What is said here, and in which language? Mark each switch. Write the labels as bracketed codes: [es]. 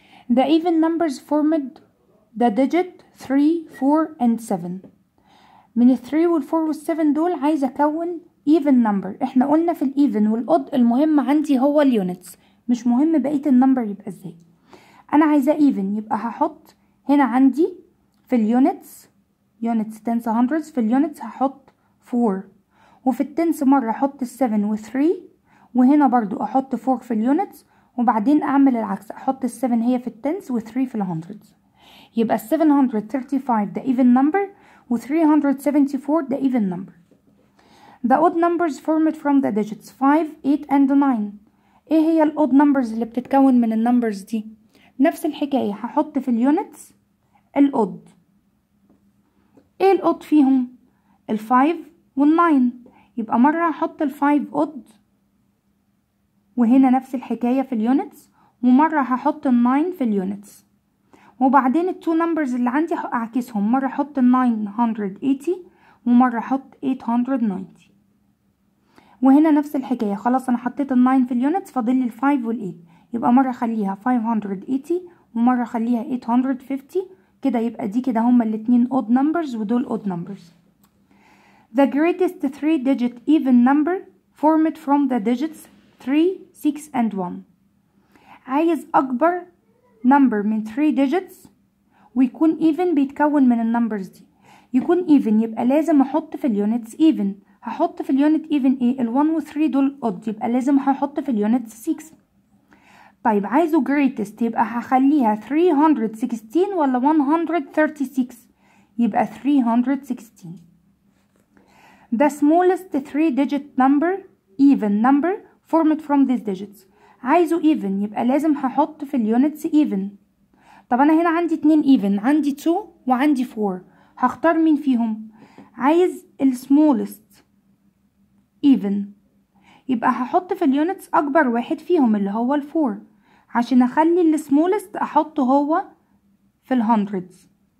[en] The even numbers formed the digit 3, 4 and 7. [ar] من ال 3 وال 4 وال 7 دول عايزة أكون even number. احنا قلنا في ال even وال odd المهم عندي هو ال units، مش مهم بقية ال number يبقى ازاي. انا عايزة even، يبقى هحط هنا عندي في ال units، units tens hundreds، في ال units هحط 4، وفي ال tens مرة احط 7 و 3، وهنا برضو احط 4 في ال units، وبعدين اعمل العكس احط 7 هي في ال tens و 3 في ال hundreds. يبقى 735 [en] the even number [ar] و 374 the even number. [en] The odd numbers formed from the digits 5, 8 and 9. [ar] ايه هي ال odd numbers اللي بتتكون من ال numbers دي؟ نفس الحكاية، هحط في ال units ال odd. ايه ال odd فيهم؟ ال 5 وال 9. يبقى مرة هحط ال 5 odd، وهنا نفس الحكاية في ال units، ومرة هحط ال 9 في ال units، وبعدين ال 2 numbers اللي عندي هعكسهم، مرة احط 980 ومرة احط 890. وهنا نفس الحكاية، خلاص انا حطيت ال 9 في ال units، فاضل لي ال 5 وال 8، يبقى مرة اخليها 580 ومرة اخليها 850 كده. يبقى دي كده هما الاتنين odd numbers ودول odd numbers. [en] The greatest 3 digit even number formed from the digits 3, 6 and 1. [ar] عايز اكبر number من 3 digits ويكون even بيتكون من ال numbers دي. يكون even يبقى لازم احط في ال units even. هحط في ال unit even ايه؟ ال 1 و 3 دول odd، يبقى لازم هحط في ال units 6. طيب عايزه greatest، يبقى هخليها 316 ولا 136؟ يبقى 316. [en] The smallest 3 digit number even number formed from these digits. [ar] عايزه even، يبقى لازم هحط في ال units even. طب انا هنا عندي 2 even، عندي 2 وعندي 4، هختار مين فيهم؟ عايز ال smallest [en] even. [ar] يبقى هحط في اليونتس أكبر واحد فيهم اللي هو الفور، عشان أخلي اللي smallest أحطه هو في الهندردز.